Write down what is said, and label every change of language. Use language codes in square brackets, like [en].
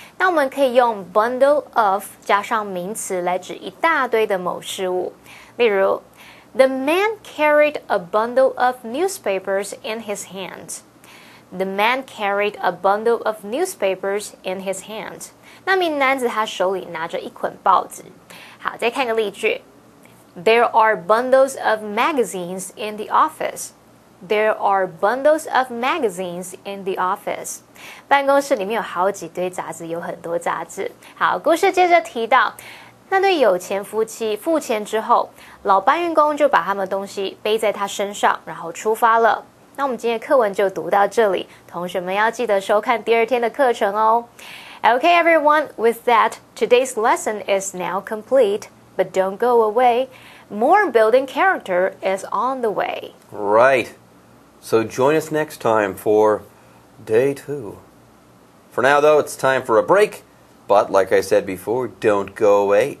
[zh] 那我们可以用 bundle of 加上名词来指一大堆的某事物。例如 [en] ，The man carried a bundle of newspapers in his hand. The man carried a bundle of newspapers in his hand. [zh] 那名男子他手里拿着一捆报纸。好，再看个例句。 [en] There are bundles of magazines in the office. There are bundles of magazines in the office. [zh] 办公室里面有好几堆杂志，有很多杂志。好，故事接着提到，那对有钱夫妻付钱之后，老搬运工就把他们东西背在他身上，然后出发了。那我们今天的课文就读到这里，同学们要记得收看第二天的课程哦。 [en] Okay, everyone, with that, today's lesson is now complete. But don't go away. More building character is on the way. Right. So join us next time for day two. For now, though, it's time for a break. But like I said before, don't go away.